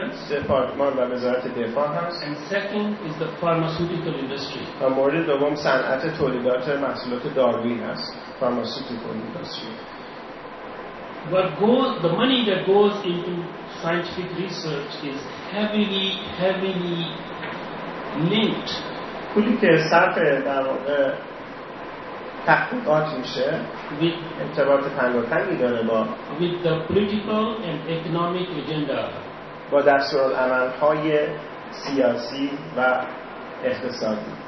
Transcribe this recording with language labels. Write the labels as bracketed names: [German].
[Persian] دپارتمان و وزارت دفاع هست. [English] And second is the pharmaceutical industry. [Persian] و مورد دوم صنعت تولیدات محصولات داروی هست. [English] Pharmaceutical industry. The money that goes into scientific research is heavily, heavily linked. [Persian] پولی که صرف در واقع تحقیقات میشه ارتباط تنگاتنگی داره با [English] with the political and economic agenda. [Persian] با دستورالعمل‌های سیاسی و اقتصادی.